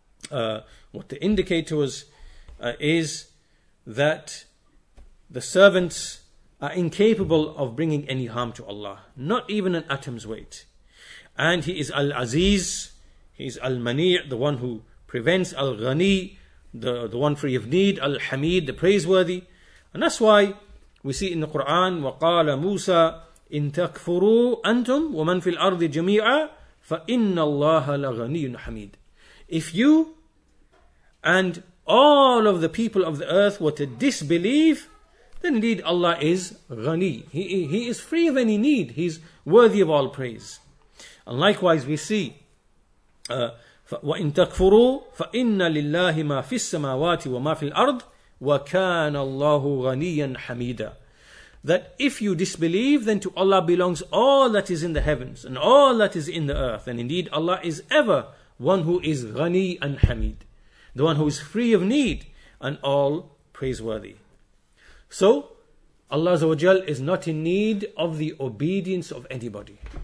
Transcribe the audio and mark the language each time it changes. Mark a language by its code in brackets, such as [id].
[en] What they indicate to us is that the servants are incapable of bringing any harm to Allah, not even an atom's weight. And He is Al-Aziz, He is Al-Mani', the one who prevents, Al-Ghani, the one free of need, Al-Hamid, the praiseworthy. And that's why we see in the Quran, [ar] وَقَالَ مُوسَىٰ إِن تَكْفُرُوا أَنْتُمْ وَمَنْ فِي الْأَرْضِ جَمِيعًا فَإِنَّ اللَّهَ لَغَنِيٌّ حَمِيدٌ. [en] If you and all of the people of the earth were to disbelieve, then indeed Allah is Ghani. He is free of any need. He is worthy of all praise. And likewise we see, [ar] وَإِن تَكْفُرُوا فَإِنَّ لِلَّهِ مَا فِي السَّمَاوَاتِ وَمَا فِي الْأَرْضِ وَكَانَ اللَّهُ غَنِيًّا حَمِيدًا. [en] That if you disbelieve, then to Allah belongs all that is in the heavens and all that is in the earth. And indeed Allah is ever one who is Ghani and Hamid, the one who is free of need and all praiseworthy. So Allah Azza wa Jal is not in need of the obedience of anybody.